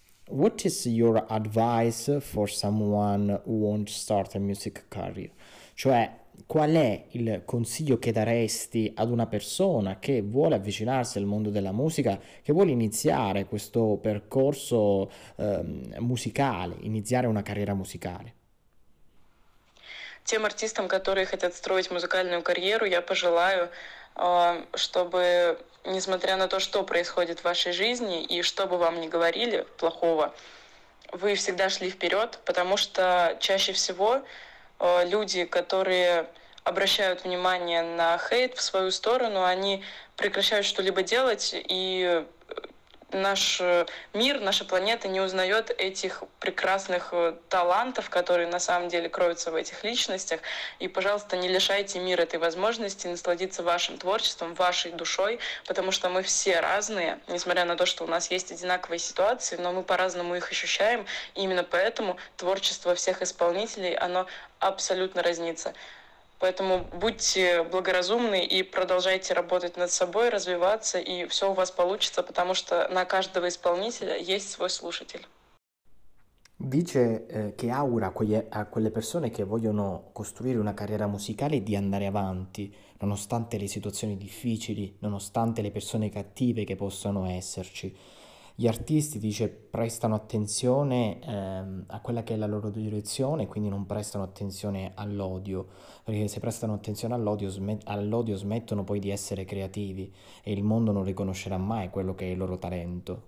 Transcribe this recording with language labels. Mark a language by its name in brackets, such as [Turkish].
[English] What is your advice for someone who wants to start a music career? [Italian] Cioè, qual è il consiglio che daresti ad una persona che vuole avvicinarsi al mondo della musica, che vuole iniziare questo percorso, musicale, iniziare una carriera musicale? [Russian] Тем артистам, которые хотят строить музыкальную карьеру, я пожелаю, чтобы, несмотря на то, что происходит в вашей жизни и что бы вам ни говорили плохого, вы всегда шли вперед, потому что чаще всего люди, которые обращают внимание на хейт в свою сторону, они прекращают что-либо делать, и наш мир, наша планета не узнает этих прекрасных талантов, которые на самом деле кроются в этих личностях. И, пожалуйста, не лишайте мир этой возможности насладиться вашим творчеством, вашей душой, потому что мы все разные, несмотря на то, что у нас есть одинаковые ситуации, но мы по-разному их ощущаем. И именно поэтому творчество всех исполнителей, оно абсолютно разнится. Поэтому будьте благоразумны и продолжайте работать над собой, развиваться, и все у вас получится, потому что на каждого исполнителя есть свой слушатель. [Italian] Dice, che augura a quelle persone che vogliono costruire una carriera musicale di andare avanti, nonostante le situazioni difficili, nonostante le persone cattive che possano esserci. Gli artisti, dice, prestano attenzione, a quella che è la loro direzione, quindi non prestano attenzione all'odio, perché se prestano attenzione all'odio smettono poi di essere creativi e il mondo non riconoscerà mai quello che è il loro talento.